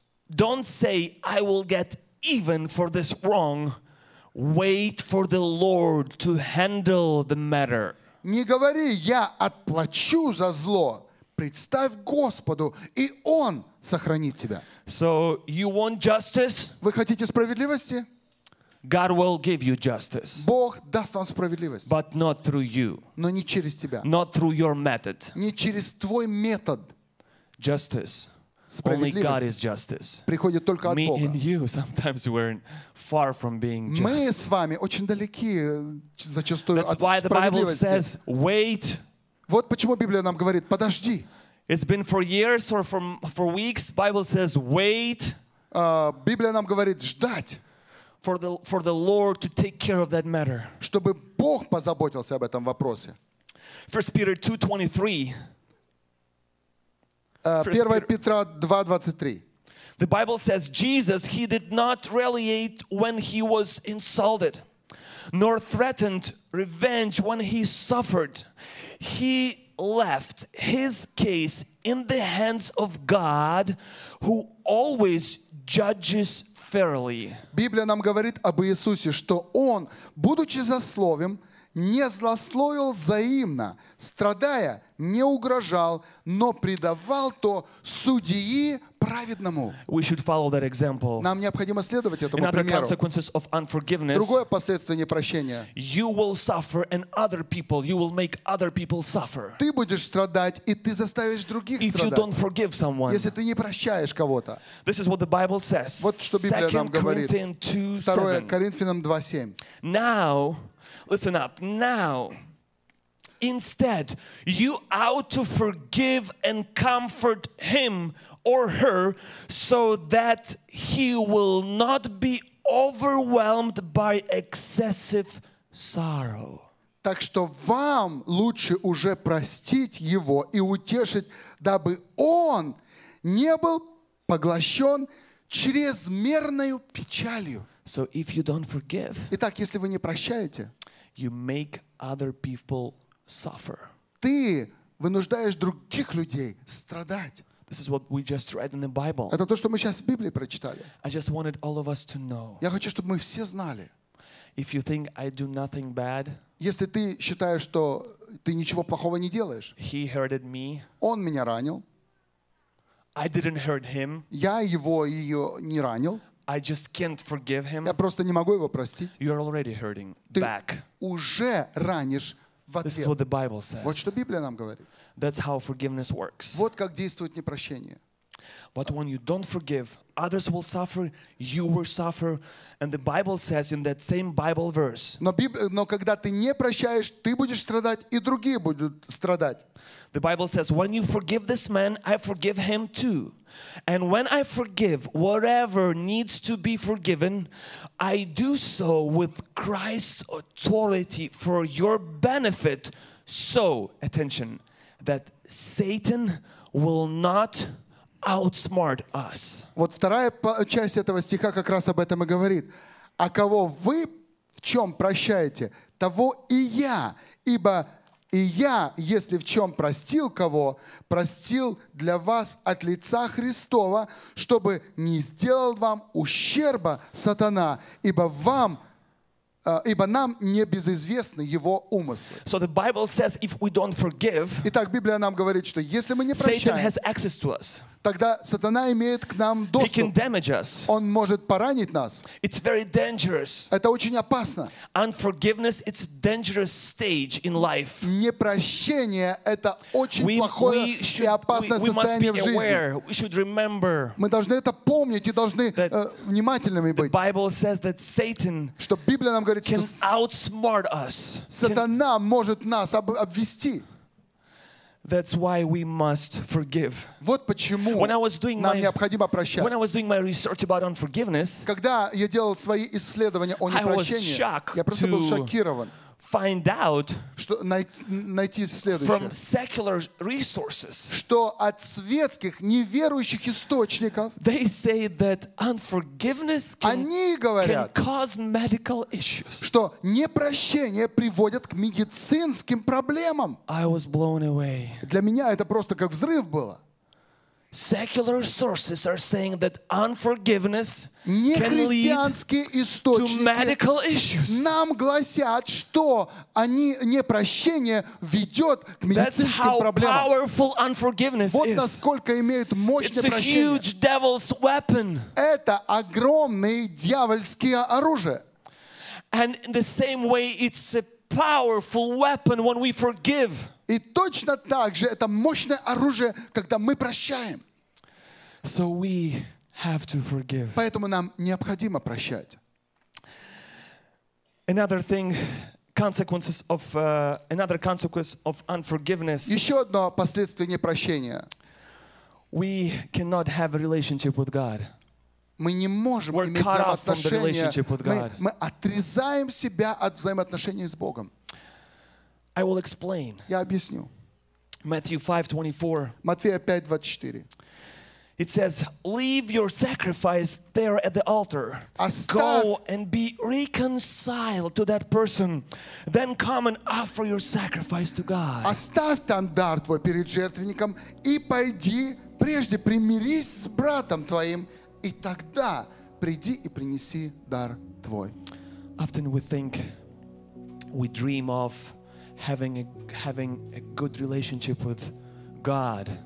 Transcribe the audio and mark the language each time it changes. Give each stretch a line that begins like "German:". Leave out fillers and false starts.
English: Don't say I will get even for this wrong. Wait for the Lord to handle the matter.
Russian: Не говори, я отплачу за зло. Представь Господу, и Он сохранит тебя.
English: So you want justice?
Russian: Вы хотите справедливости?
English: God will give you justice.
Russian: Бог даст вам справедливость.
English: But not through you.
Russian: Но не через тебя.
English: Not through your method.
Russian: Не через твой метод.
English: Justice. Only God is justice.
Russian: Приходит только от
English: Me
Russian: Бога.
English: And you, sometimes we're far from being just.
Russian: Мы с вами очень далеки зачастую
English: That's
Russian: от справедливости.
English: That's why the Bible says, wait.
Russian: Вот почему Библия нам говорит, подожди.
English: It's been for years or for weeks, Bible says, wait.
Russian: Библия нам говорит ждать.
English: For the Lord to take care of that matter.
Russian: Чтобы Бог позаботился об этом вопросе.
English: 1 Peter 2:23.
Russian: 1 Петра 2:23.
English: The Bible says Jesus, he did not retaliate when he was insulted, nor threatened revenge when he suffered. He left his case in the hands of God, who always judges fairly.
Russian: Библия нам говорит об Иисусе, что Он, будучи злословим, не злословил взаимно, страдая, не угрожал, но предавал то судьи праведному.
English: We should follow that example.
Russian: Нам необходимо следовать этому примеру.
English: Another consequence of unforgiveness.
Russian: Другое последствие непрощения.
English: You will suffer and other people, you will make other people suffer.
Russian: Ты будешь страдать, и ты заставишь других страдать.
English: If you don't forgive someone.
Russian: Если ты не прощаешь кого-то.
English: This is what the Bible says.
Russian: Вот что Библия нам говорит. 2 Коринфянам 2:7.
English: Now, listen up. Now, instead, you ought to forgive and comfort him or her so that he will not be overwhelmed by excessive sorrow.
Russian: Так что вам лучше уже простить его и утешить, дабы он не был поглощен чрезмерной печалью.
English: So if you don't forgive,
Russian: итак, если вы не прощаете,
English: you make other people suffer.
Russian: Ты вынуждаешь других людей страдать.
English: This is what we just read in the Bible.
Russian: Это то, что мы сейчас в Библии прочитали.
English: I just wanted all of us to know.
Russian: Я хочу, чтобы мы все знали.
English: If you think I do nothing bad,
Russian: если ты считаешь, что ты ничего плохого не делаешь,
English: he hurted me.
Russian: Он меня ранил.
English: I didn't hurt him.
Russian: Я его ее не ранил.
English: I just can't forgive him.
Russian: Я просто не могу его простить.
English: You're already hurting
Russian: ты
English: back.
Russian: Уже ранишь.
English: This is what the Bible says.
Russian: Вот что Библия нам говорит.
English: That's how forgiveness works.
Russian: Вот как действует непрощение.
English: But when you don't forgive, others will suffer, you will suffer, and the Bible says in that same Bible verse.
Russian: Но когда ты не прощаешь, ты будешь страдать, и другие будут страдать.
English: The Bible says, when you forgive this man, I forgive him too. And when I forgive whatever needs to be forgiven, I do so with Christ's authority for your benefit. So, attention, that Satan will not outsmart us.
Russian: Вот вторая часть этого стиха как раз об этом и говорит. А кого вы в чем прощаете, того и я. Ибо и я, если в чем простил кого, простил для вас от лица Христова, чтобы не сделал вам ущерба сатана, ибо вам ибо нам не безызвестны его умыслы.
English: So the Bible says if we don't forgive,
Russian: итак, Библия нам говорит, что если мы не прощаем,
English: Satan has access to us.
Russian: Тогда сатана имеет к нам доступ.
English: He can damage us.
Russian: Он может поранить нас.
English: It's very dangerous.
Russian: Это очень опасно.
English: Unforgiveness, it's a dangerous stage in life.
Russian: Непрощение — это очень плохое и опасное состояние в жизни.
English: We should remember,
Russian: мы должны это помнить и должны внимательными быть.
English: The Bible says that Satan,
Russian: что Библия нам говорит,
English: can
Russian: что
English: outsmart us,
Russian: сатана
English: can
Russian: может нас обвести.
English: That's why we must forgive.
Russian: Вот почему нам необходимо прощать.
English: When I was doing my research about unforgiveness,
Russian: когда я делал свои исследования о непрощении, я просто был шокирован.
English: Find out,
Russian: что найти следующее,
English: from secular resources,
Russian: что от светских неверующих источников,
English: they say that unforgiveness can,
Russian: они говорят,
English: can cause medical issues,
Russian: что непрощение приводит к медицинским проблемам.
English: I was blown away.
Russian: Для меня это просто как взрыв было.
English: Secular sources are saying that unforgiveness can lead to medical issues.
Russian: Нам гласят, что они непрощение ведет к медицинским
English: That's
Russian: проблемам.
English: How powerful unforgiveness
Russian: вот насколько
English: is.
Russian: Имеет мощное
English: It's
Russian: прощение.
English: A huge devil's weapon.
Russian: Это огромное дьявольское оружие.
English: And in the same way, it's a powerful weapon when we forgive.
Russian: И точно так же это мощное оружие, когда мы прощаем.
English: So we have to forgive.
Russian: Поэтому нам необходимо прощать.
English: Another thing, consequences of, another consequence of unforgiveness.
Russian: Еще одно последствие непрощения.
English: We cannot have a relationship with God.
Russian: Мы не можем иметь взаимоотношения. Мы отрезаем себя от взаимоотношений с Богом.
English: I will explain.
Russian: Я объясню. Матфея 5:24.
English: It says, "Leave your sacrifice there at the altar. Go and be reconciled to that person. Then come and offer your sacrifice to God."
Russian: Оставь там дар твой перед жертвенником и пойди прежде примирись с братом твоим. И тогда приди и принеси дар твой.
English: Often we think, we dream of having a good relationship with God.